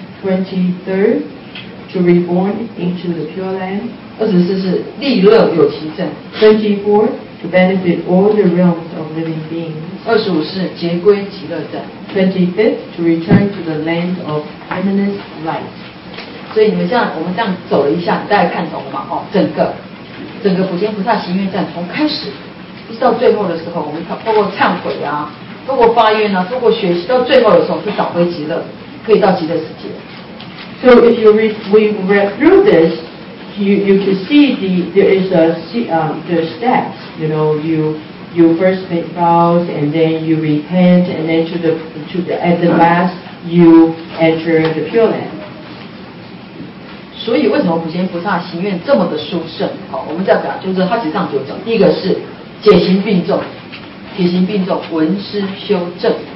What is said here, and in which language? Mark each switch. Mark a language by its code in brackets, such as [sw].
[en] 23rd, to reborn into the pure land. [zh] 24是利乐有情赞。 [en] 24th,to benefit all the realms of living beings. [zh] 25是结归极乐赞。 [en] 25th, to return to the land of luminous light. [zh] 所以你们这样，我们这样走了一下，大家看懂了吗？整个普贤菩萨行愿站从开始一直到最后的时候，我们透过忏悔啊，透过发愿啊，透过学习，到最后的时候是找回极乐，可以到极乐世界。 [en] So if you read through this,You can see there is the steps, you know, you first make vows and then you repent and then to the, at the last you enter the Pure Land. [zh] 所以为什么普贤菩萨行愿这么的殊胜？我们再讲，就是他其实上九种，第一个是解行并重，解行并重，闻思修正。